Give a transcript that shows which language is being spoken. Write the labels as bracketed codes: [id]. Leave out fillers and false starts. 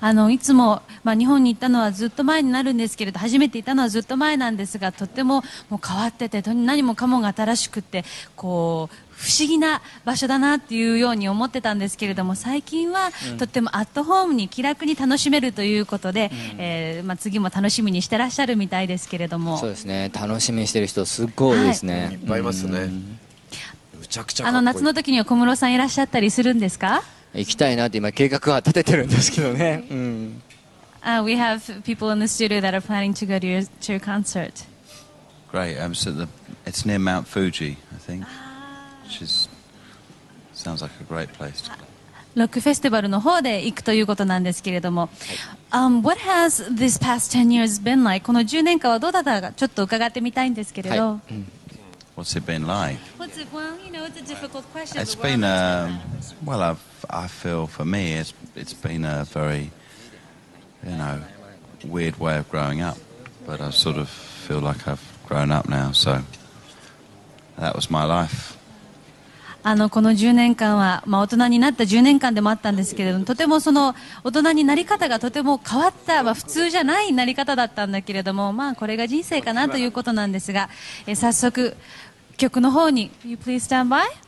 [ja] いつも、まあ、日本に行ったのはずっと前になるんですけれど、初めて行ったのはずっと前なんですが、とても、 もう変わってて、何もかもが新しくて、こう不思議な場所だなっていうように思ってたんですけれども、最近は、うん、とってもアットホームに気楽に楽しめるということで、うん、まあ、次も楽しみにしてらっしゃるみたいですけれども。そうですね、楽しみにしてる人すごいですね、はい、いっぱいいますね、むちゃくちゃかっこいい。夏の時には小室さんいらっしゃったりするんですか。行きたいなって今計画は立ててるんですけどね、 [en] うん。We have people in the studio that are planning to go to your concert. Great. It's near Mount Fuji, I think. Which is sounds like a great place to go. [ja] ロックフェスティバルの方で行くということなんですけれども、 [en] What has this past 10 years been like? [ja] この10年間はどうだったか、ちょっと伺ってみたいんですけれど。はい、うん、 [en] What's it been like? It's been a, well, I feel for me, it's been a very, you know, weird way of growing up. But I sort of feel like I've grown up now, so that was my life. [ja] この10年間は、まあ、大人になった10年間でもあったんですけれども、とてもその大人になり方がとても変わった、まあ、普通じゃないなり方だったんだけれども、まあ、これが人生かなということなんですが、早速曲の方に [en] You please stand by?